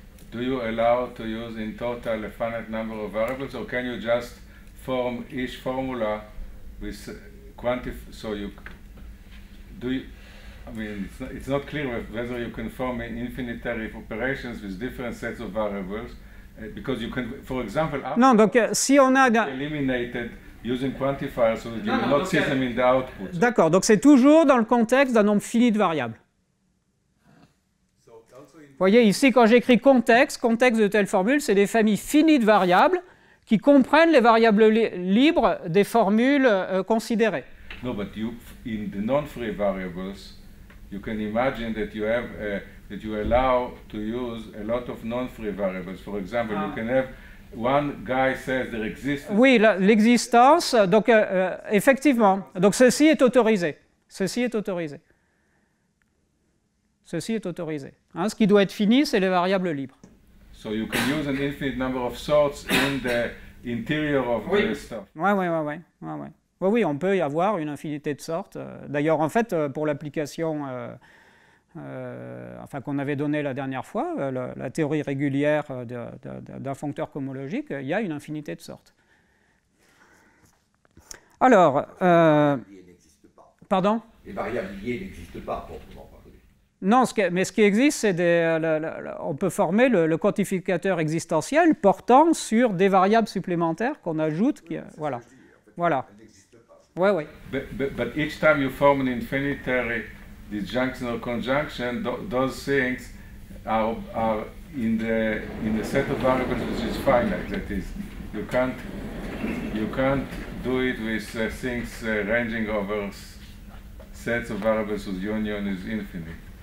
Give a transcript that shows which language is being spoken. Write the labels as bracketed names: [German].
[English] Do you allow to use in total a finite number of variables, or can you just form each formula with so you do you, I mean, it's not clear whether you can form an infinitary operations with different sets of variables, because you can, for example, [French] non, donc, si on a [English] eliminated using quantifiers, so you will not see them in the output. [French] D'accord, donc c'est toujours dans le contexte d'un nombre fini de variables. Vous voyez ici, quand j'écris contexte de telle formule, c'est des familles finies de variables qui comprennent les variables libres des formules considérées. Non, mais dans les non-free variables, vous pouvez imaginer que vous permettez d'utiliser beaucoup de non-free variables. Par exemple, vous pouvez avoir un gars qui dit qu'il existe. Oui, l'existence, donc effectivement, donc ceci est autorisé. Ceci est autorisé. Ceci est autorisé. Hein, ce qui doit être fini, c'est les variables libres. [English] So you can use an infinite number of sorts in the interior of [French] oui. [English] The stuff. [French] Oui, on peut y avoir une infinité de sortes. D'ailleurs, en fait, pour l'application qu'on avait donnée la dernière fois, la théorie régulière d'un functeur cohomologique, il y a une infinité de sortes. Alors, pardon? Les variables liées n'existent pas, proprement. Non, ce qui existe, c'est on peut former le quantificateur existentiel portant sur des variables supplémentaires qu'on ajoute. Oui, voilà. Ce que je dis, en fait, voilà. Elle n'existe pas. Oui, oui. [English] But each time you form an infinitary disjunction or conjunction, those things are in the set of variables which is finite. That is, you can't do it with things ranging over sets of variables whose union is infinite.